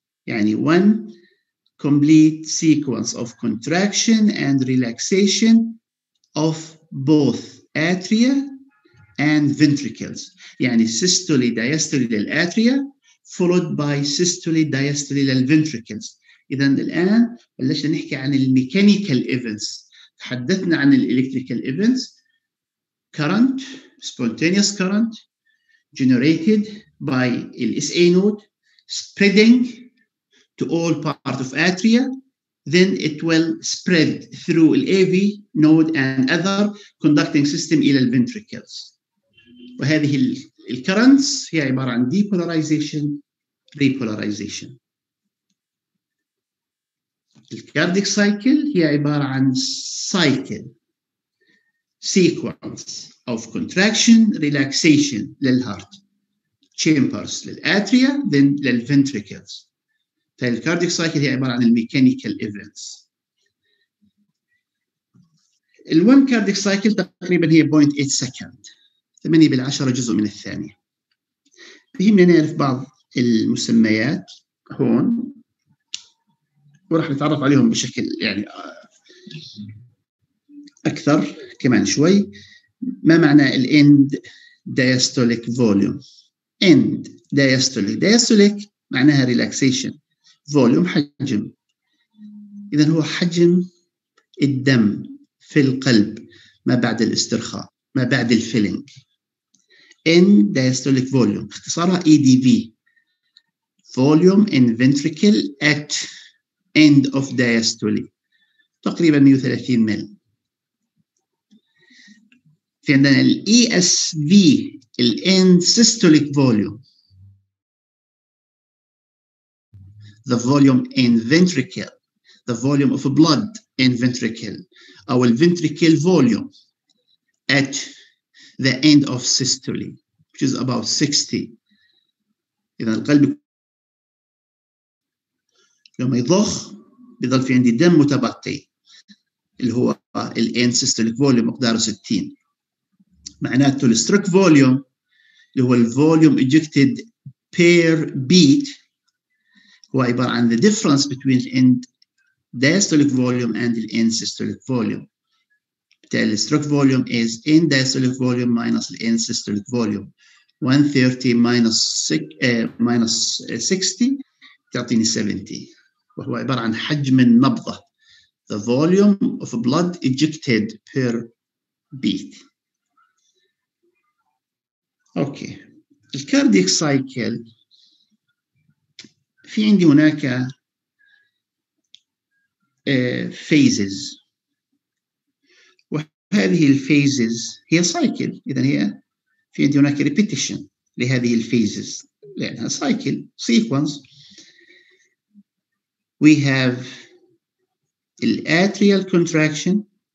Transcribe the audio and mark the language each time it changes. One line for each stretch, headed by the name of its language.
English: يعني one complete sequence of contraction and relaxation of both atria and ventricles. يعني systole diastole للatria followed by systole diastole للventricles.
Arabic: إذن الآن بلشنا نحكي عن الميكانيكال إيفنتس.
English: تحدثنا عن الإلكتريكال events, current, spontaneous current generated by the SA node spreading to all part of atria, then it will spread through the AV node and other conducting system
Arabic: إلى الventricles. وهذه الكرنتس هي عبارة عن depolarization, repolarization.
English: الكارديك سايكل
Arabic: هي عبارة عن
English: Cycle sequence of contraction, relaxation للهارت chambers للاتريا then للventricles.
Arabic: فالكارديك سايكل هي عبارة عن الميكانيكال ايفنتس. الون كارديك سايكل تقريبا هي 0.8 سكند، 8 بالعشرة جزء من الثانية. فهمنا نعرف بعض المسميات هون وراح نتعرف عليهم بشكل يعني أكثر كمان شوي.
English: ما معنى الـ end diastolic volume؟ end diastolic، diastolic معناها relaxation، volume حجم.
Arabic: إذن هو حجم الدم في القلب ما بعد الاسترخاء، ما بعد الفيلينج.
English: end diastolic volume اختصارها EDV، volume in ventricle at end of diastole تقريبا 130 مل. في عندنا الـ ESV الـ end systolic volume، the volume in ventricle، the volume of blood in ventricle أو الـ ventricle volume at the end of systole which is about 60.
Arabic: إذا القلب لما يضخ بيضل في عندي دم متبقي اللي هو الـ end systolic volume مقداره 60. معناته الـ
English: stroke volume اللي هو الـ volume ejected per beat
Arabic: هو عبارة عن
English: the difference between the end diastolic volume and the end systolic volume. بتالي stroke volume is end diastolic volume minus the end systolic volume. 130 minus, minus 60
Arabic: تعطيني
English: 70.
Arabic: وهو عبارة عن حجم النبضة،
English: the volume of blood ejected per beat.
Arabic: أوكي، الكارديك سايكل في عندي هناك phases وهذه الphases هي سايكل. إذن هي في عندي هناك repetition لهذه الphases لأنها سايكل
English: sequence. We have the atrial contraction.